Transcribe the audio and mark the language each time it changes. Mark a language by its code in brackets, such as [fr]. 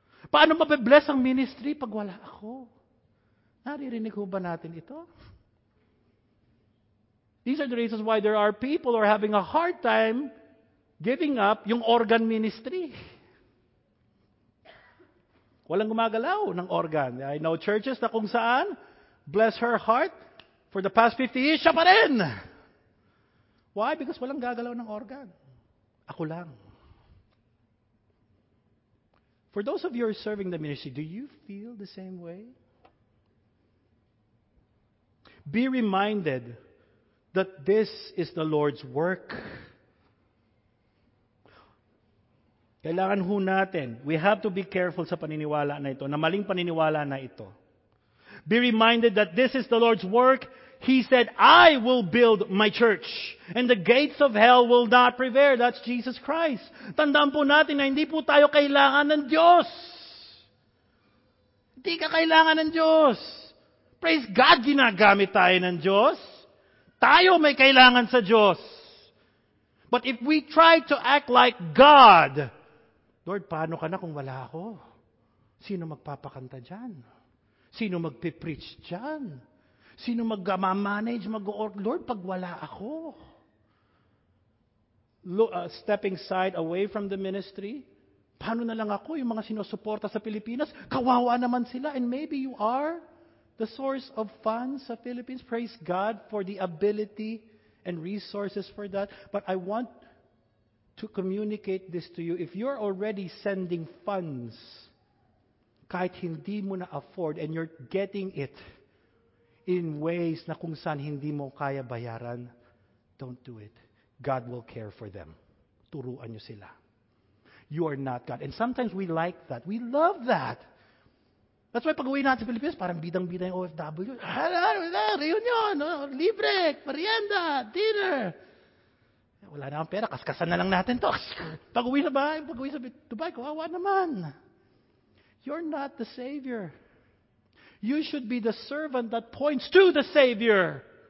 [tl] Paano mabibless ang ministry pag wala ako? Naririnig ko ba natin ito? [en] These are the reasons why there are people who are having a hard time giving up yung organ ministry. [tl] Walang gumagalaw ng organ. [en] I know churches [tl] na kung saan, [en] bless her heart, for the past 50 years, [tl] siya pa rin. [en] Why? Because [tl] walang gagalaw ng organ. Ako lang. [en] For those of you who are serving the ministry, do you feel the same way? Be reminded that this is the Lord's work. [tl] Kailangan ho natin, [en] we have to be careful [tl] sa paniniwala na ito, na maling paniniwala na ito. [en] Be reminded that this is the Lord's work. He said, I will build my church, and the gates of hell will not prevail. That's Jesus Christ. [tl] Tandaan po natin na hindi po tayo kailangan ng Diyos. Hindi ka kailangan ng Diyos. [en] Praise God, [tl] ginagamit tayo ng Diyos. Tayo may kailangan sa Diyos. [en] But if we try to act like God, Lord, [tl] paano ka na kung wala ako? Sino magpapakanta dyan? Sino magpipreach dyan? Sino mag-manage, Lord, pag wala ako? [en] Stepping side away from the ministry? [tl] Paano na lang ako, yung mga sinusuporta sa Pilipinas? Kawawa naman sila. [en] And maybe you are the source of funds sa Philippines. Praise God for the ability and resources for that. But I want to communicate this to you. If you're already sending funds, [tl] kahit hindi mo na-afford, [en] and you're getting it in ways [tl] na kung saan hindi mo kaya bayaran, [en] don't do it. God will care for them. [tl] Turuan niyo sila. [en] You are not God. And sometimes we like that. We love that. That's why [tl] pag-uwi natin sa Pilipinas, parang bidang-bida yung OFW. Reunion, libre, merienda, dinner. Wala na akong pera, kaskasan na lang natin to. Pag-uwi sa bahay, pag-uwi sa Dubai, kawawa naman. [en] You're not the Savior. You should be the servant that points to the Savior.